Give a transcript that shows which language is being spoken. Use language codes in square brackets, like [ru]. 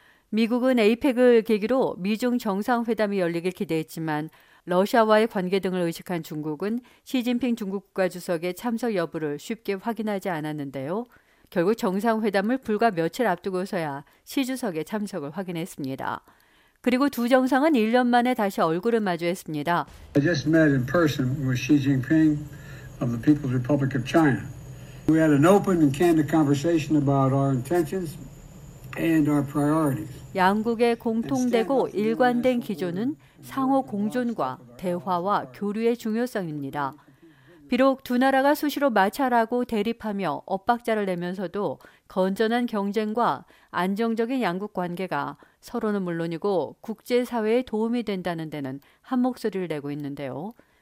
[ko] 미국은 APEC을 계기로 미중 정상회담이 열리길 기대했지만 러시아와의 관계 등을 의식한 중국은 시진핑 중국 국가주석의 참석 여부를 쉽게 확인하지 않았는데요. 결국 정상회담을 불과 며칠 앞두고서야 시 주석의 참석을 확인했습니다. 그리고 두 정상은 1년 만에 다시 얼굴을 마주했습니다. [en] I just met in person with Xi Jinping of the People's Republic of China. We had an open and candid conversation about our intentions and our priorities. [ko] 양국의 공통되고 일관된 기조는 상호 공존과 대화와 교류의 중요성입니다. 비록 두 나라가 수시로 마찰하고 대립하며 엇박자를 내면서도 건전한 경쟁과 안정적인 양국 관계가 서로는 물론이고 국제사회에 도움이 된다는 데는 한 목소리를 내고 있는데요.